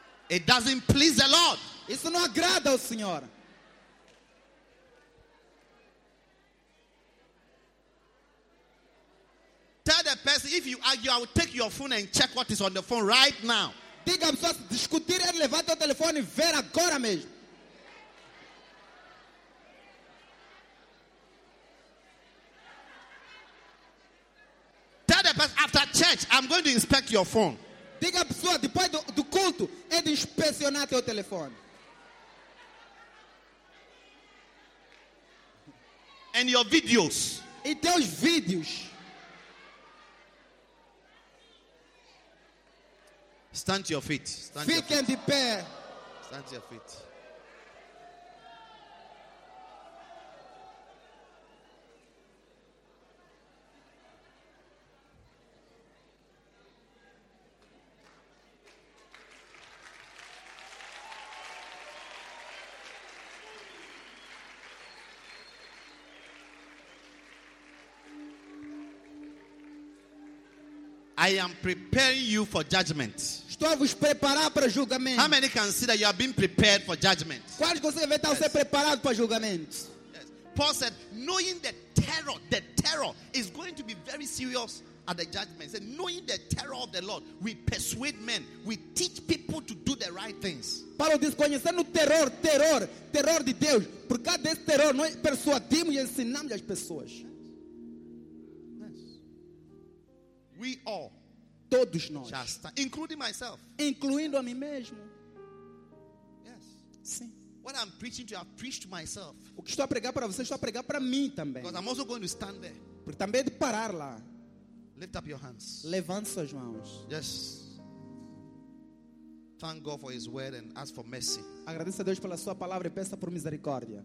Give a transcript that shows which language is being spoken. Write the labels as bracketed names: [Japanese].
[English] It doesn't please the Lord. [Portuguese] Isso não agrada ao Senhor. [English] Tell the person, if you argue, I will take your phone and check what is on the phone right now. [Portuguese] Diga para você discutir e levantar o telefone e ver agora mesmo. [English] Tell the person, after church, I'm going to inspect your phone. [Portuguese] Diga para você, depois do culto, é de inspecionar teu telefone. [English] And your videos. [Portuguese] E teus vídeos. [English] Stand to your feet. Stand to your feet. I am preparing you for judgment. [Portuguese] Estou a vos preparar para julgamento. [English] How many can see that you have been prepared for judgment? [Portuguese] Quais conseguem ver estar a ser preparado para julgamento? [English] Yes. Paul said, knowing the terror is going to be very serious at the judgment. He said, knowing the terror of the Lord, we persuade men, we teach people to do the right things. [Portuguese] Paulo diz, conhecendo o terror de Deus, por causa desse terror, nós persuadimos e ensinamos as pessoas. [English] We all, [Portuguese] todos nós, [English] just, including myself, [Portuguese] incluindo a mim mesmo. [English] Yes. [Portuguese] Sim. [English] What I'm preaching to you, I preach to myself. [Portuguese] O que estou a pregar para você, estou a pregar para mim também. [English] Because I'm also going to stand there. [Portuguese] Porque também é de parar lá. [English] Lift up your hands. [Portuguese] Levante suas mãos. [English] Yes. Thank God for His word and ask for mercy. [Portuguese] Agradeça a Deus pela sua palavra e peça por misericórdia.